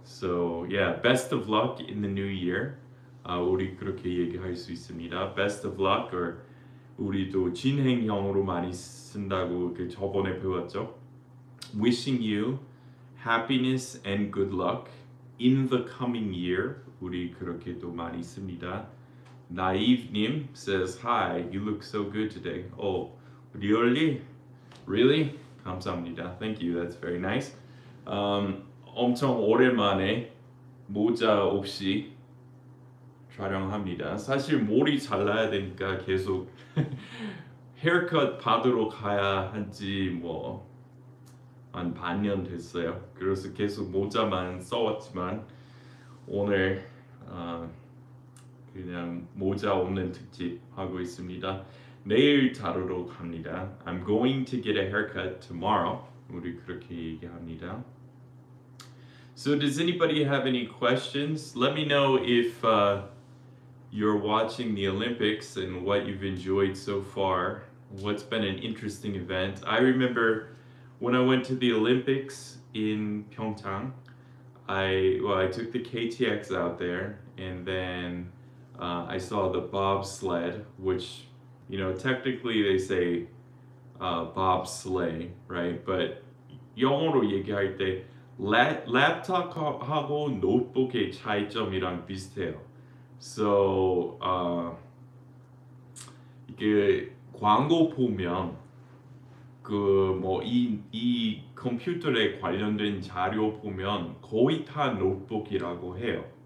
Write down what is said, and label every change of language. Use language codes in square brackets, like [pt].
[en] So yeah, best of luck in the new year. [ko] 우리 그렇게 얘기할 수 있습니다. Best of luck or 우리도 진행형으로 많이 쓴다고 그 저번에 배웠죠. [en] Wishing you happiness and good luck in the coming year. [ko] 우리 그렇게도 많이 씁니다. [en] Naive 님 says, hi, you look so good today. Oh, really? Really? 감사합니다. Thank you, that's very nice. [ko] 엄청 오랜만에 모자 없이 촬영합니다. 사실 머리 잘라야 되니까 계속 헤어컷 받으러 가야 한지 뭐 한 반년 됐어요. 그래서 계속 모자만 써왔지만 오늘 그냥 모자 없는 특집 하고 있습니다. 내일 자르러 갑니다. I'm going to get a haircut tomorrow. 우리 그렇게 얘기합니다. [en] So does anybody have any questions? Let me know if you're watching the Olympics and what you've enjoyed so far. What's been an interesting event? I remember when I went to the Olympics in Pyeongchang, I took the KTX out there and then I saw the bobsled, which, you know, technically they say bobsleigh, right? [ko] But 영어로 얘기할 때 랩탑하고 노트북의 차이점이랑 비슷해요. So, 이게 광고 보면 그 뭐 이 컴퓨터에 관련된 자료 보면 거의 다 노트북이라고 해요.